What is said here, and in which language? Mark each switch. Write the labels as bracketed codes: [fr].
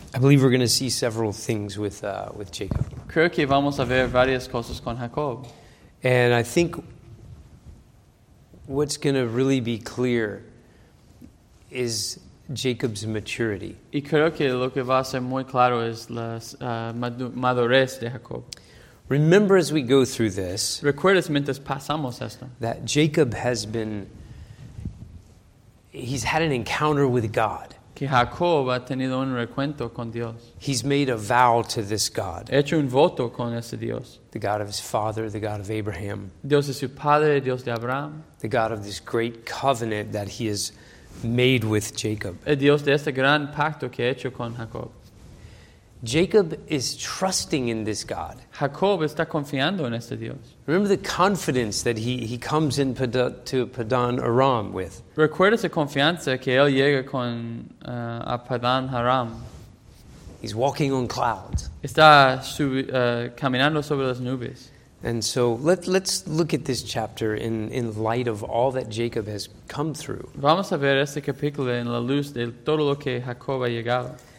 [en] I believe we're going to see several things with Jacob. [es] Creo que vamos a ver varias cosas con Jacob. [en] And I think what's going to really be clear is Jacob's maturity. [es] Y creo que lo que va a ser muy claro es la madurez de Jacob. [en] Remember as we go through this, [es] recuerdas mientras pasamos esto, [en] that Jacob has been, he's had an encounter with God. [es] Que Jacob ha tenido un recuento con Dios. [en] He's made a vow to this God. [es] He hecho un voto con ese Dios. [en] The God of his father, the God of Abraham. [es] Dios de su padre, Dios de Abraham. [en] The God of this great covenant that he has made with Jacob. [es] El Dios de este gran pacto que ha hecho con Jacob. [en] Jacob is trusting in this God. [es] Jacob está confiando en este Dios. [en] Remember the confidence that he comes in to Padan Aram with. [es] Recuerda esa confianza que él llega con a Padan Aram. [en] He's walking on clouds. [es] Está caminando sobre las nubes. [en] And so let's look at this chapter in light of all that Jacob has come through. [es] Vamos a ver este capítulo en la luz de todo lo que Jacob ha llegado.